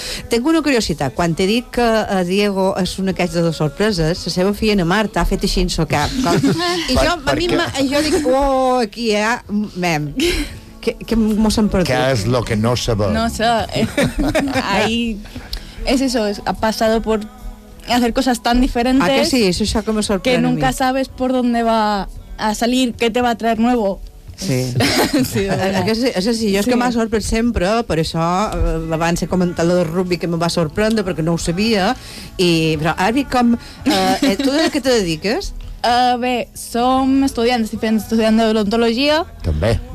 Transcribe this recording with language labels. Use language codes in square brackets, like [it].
[ca] Tinc una curiositat, quan t'he dit que Diego és una queixa de sorpreses, la seva filla na Marta ha fet així en so cap. I jo, a mi, jo dic, oh, aquí hi ha... Què mos han perdut? Què és el que no sabem? No sé. Ahí... És això, ha passat per fer coses tan diferents... Ah, que sí, és això que me sorprèn a mi. [es] Que nunca sabes por dónde va a salir, qué te va a traer nuevo. [ca] Sí. Sí, jo és que m'ha sorprès sempre, per això abans he comentat el rugby, que em va sorprendre perquè no ho sabia. I, però ara vi com... tu de què te dediques? Bé, som estudiants, estic fent estudiant de odontologia. També.